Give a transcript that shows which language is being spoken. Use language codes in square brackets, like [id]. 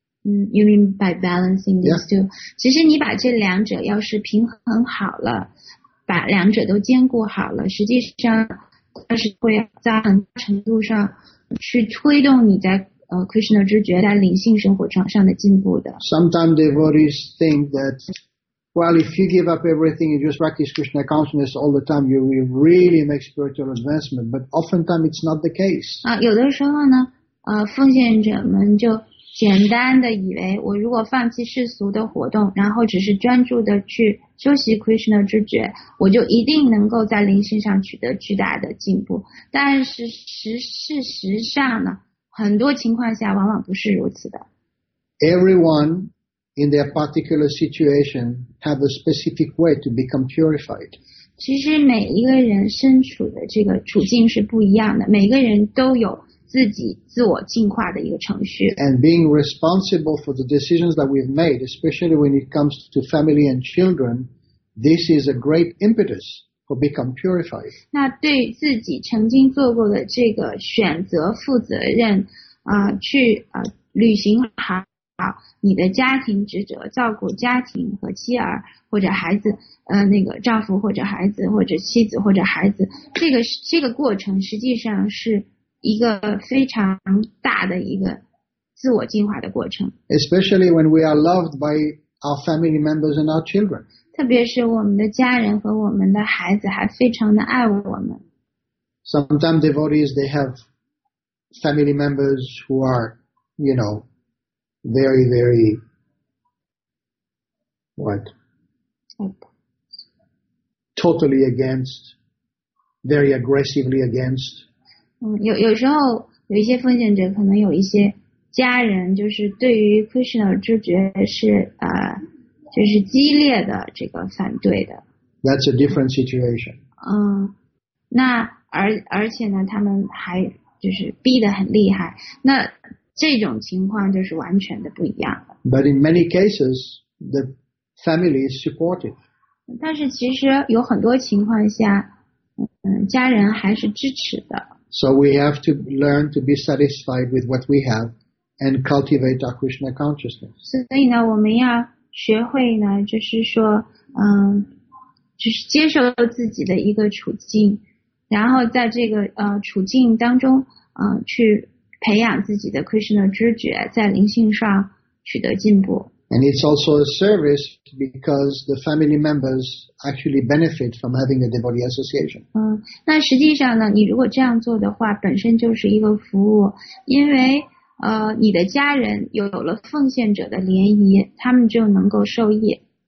[en] You mean by balancing these、 yeah. two? [zh] 其实你把这两者要是平衡好了，把两者都兼顾好了，实际上它是会在很大程度上去推动你在Krishna 知觉在灵性生活上的进步的。 [en] Sometimes devotees think that, well, if you give up everything and just practice Krishna consciousness all the time, you will really make spiritual advancement. But oftentimes it's not the case. [zh] 有的时候呢，奉献者们就简单的以为我如果放弃世俗的活动然后只是专注的去修习 Krishna 知觉我就一定能够在灵性上取得巨大的进步但是事实上呢很多情况下往往不是如此的 [en] Everyone in their particular situation have a specific way to become purified [zh] 其实每一个人身处的这个处境是不一样的每个人都有自己自我进化的一个程序。 [en] And being responsible for the decisions that we've made, especially when it comes to family and children, this is a great impetus for become purified. [zh] 那对自己曾经做过的这个选择负责任，去履行好你的家庭职责，照顾家庭和妻儿或者孩子，那个丈夫或者孩子或者妻子或者孩子，这个过程实际上是。一个非常大的一个自我进化的过程 [en] especially when we are loved by our family members and our children [zh] 特别是我们的家人和我们的孩子还非常的爱我们 [en] sometimes devotees they have family members who are you know very very what totally against very aggressively against [zh] 有时候有一些奉献者可能有一些家人就是对于 Krishna 知觉是就是激烈的这个反对的。 [en] That's a different situation. [zh] 那而且呢他们还就是逼得很厉害。那这种情况就是完全的不一样的。 [en] But in many cases, the family is supportive. [zh] 但是其实有很多情况下家人还是支持的。 [en] So we have to learn to be satisfied with what we have and cultivate our Krishna consciousness. [zh] 所以呢，我们要学会呢，就是说，就是接受自己的一个处境，然后在这个处境当中，去培养自己的 Krishna 知觉，在灵性上取得进步。 [en] And it's also a service because the family members actually benefit from having a devotee association. [zh] 那实际上呢，你如果这样做的话，本身就是一个服务，因为你的家人有了奉献者的联谊，他们就能够受益。